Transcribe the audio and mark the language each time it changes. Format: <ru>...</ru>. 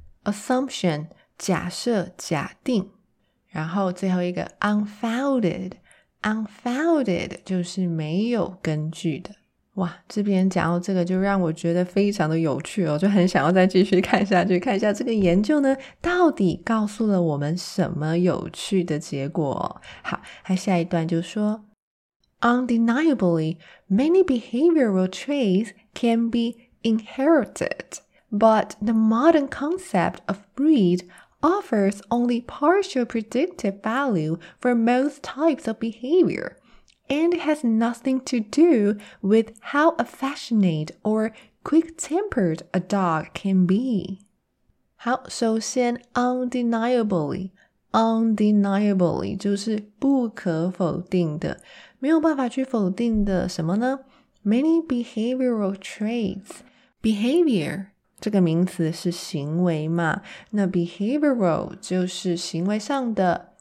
<zh>Assumption, 假设、假定。然后最后一个 unfounded 就是没有根据的。哇，这边讲到这个就让我觉得非常的有趣哦，就很想要再继续看下去，看一下这个研究呢到底告诉了我们什么有趣的结果。好，还下一段就说。</zh> <en>Undeniably, many behavioral traits can be inherited, but the modern concept of breed offers only partial predictive value for most types of behavior, and has nothing to do with how affectionate or quick-tempered a dog can be.</en> <zh>好，首先 undeniably 就是不可否定的，没有办法去否定的什么呢？</zh> <en>Many behavioral traits.</en> <zh>Behavior 这个名词是行为嘛，那 behavioral 就是行为上的，</zh>